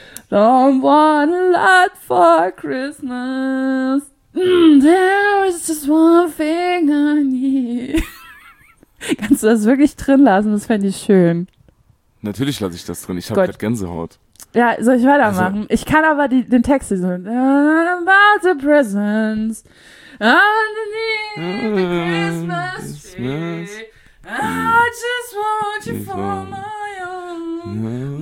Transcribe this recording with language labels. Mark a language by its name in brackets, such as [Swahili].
[English] Don't want a lot for Christmas. There is just one thing I need. [German] Kannst du das wirklich drin lassen? Das fände ich schön. Natürlich lasse ich das drin. Ich habe gerade Gänsehaut. Ja, soll ich weitermachen? Also, ich kann aber den Text so. [English] I'm about the presents. Underneath the Christmas tree. I just want you for my own.